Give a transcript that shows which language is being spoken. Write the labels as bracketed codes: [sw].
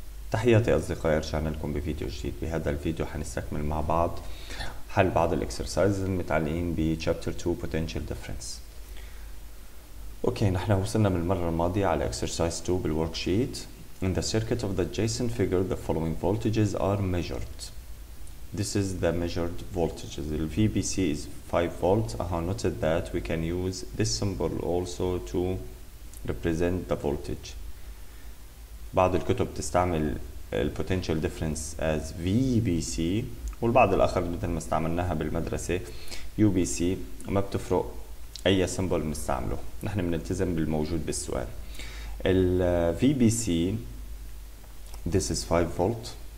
[ar] تحياتي أصدقائي، رجعنا لكم بفيديو جديد. بهذا الفيديو حنستكمل مع بعض حل بعض الاكسرسايزز المتعلقين ب [en] chapter 2 potential difference. [ar] اوكي، نحن وصلنا من المرة الماضية على exercise 2 بالworksheet. [en] In the circuit of the adjacent figure the following voltages are measured. This is the measured voltages. The VBC is 5 volts. I have noted that we can use this symbol also to represent the voltage. [ar] بعض الكتب تستعمل الـ [en] potential difference as VBC، [ar] والبعض الآخر مثل ما استعملناها بالمدرسة UBC، ما بتفرق أي symbol بنستعمله، نحن بنلتزم بالموجود بالسؤال. [en] الـ VBC this is 5 volt،